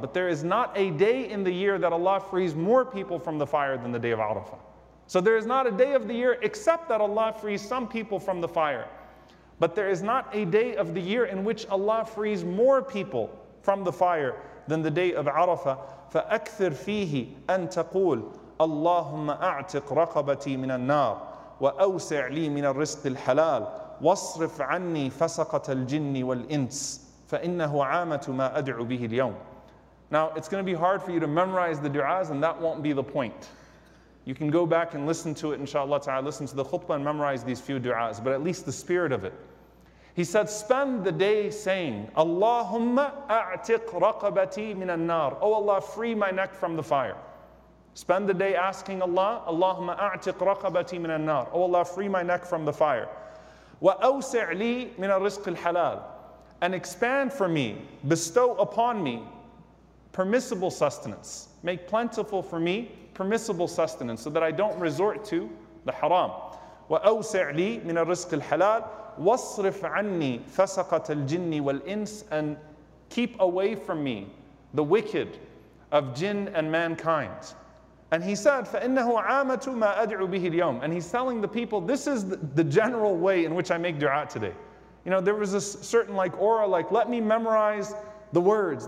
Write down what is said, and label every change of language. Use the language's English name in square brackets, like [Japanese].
[English] But there is not a day in the year that Allah frees more people from the fire than the day of Arafah. So there is not a day of the year except that Allah frees some people from the fire. But there is not a day of the year in which Allah frees more people from the fire than the day of Arafah. [Arabic] فَأَكْثِرْ فِيهِ أَن تَقُولُ اللهم أعتق رقبتي من النار وأوسع لي من الرزق الحلال واصرف عني فسقة الجن والإنس فإنه عامة ما أدعو به اليوم. [English] Now it's going to be hard for you to memorize the du'as, and that won't be the point. You can go back and listen to it, inshallah ta'ala, listen to the khutbah and memorize these few du'as, but at least the spirit of it. He said, spend the day saying, [Arabic] اللهم أعتق رقبتي من النار. [English] Oh Allah, free my neck from the fire. Spend the day asking Allah, [Arabic] اللهم أعتق رقبتي من النار. [English] Oh Allah, free my neck from the fire. [Arabic] وأوسع لي من الرزق الحلال. [English] And expand for me, bestow upon me permissible sustenance. Make plentiful for me permissible sustenance so that I don't resort to the haram. [Arabic] وأوسع لي من الرزق الحلال. واصرف عني فسقة الجن والإنس. [English] And keep away from me the wicked of jinn and mankind. And he said, [Arabic] فَإِنَّهُ عَامَةُ مَا أَدْعُ بِهِ الْيَوْمِ. [English] And he's telling the people, this is the general way in which I make dua today. You know, there was a certain like aura, like, let me memorize the words.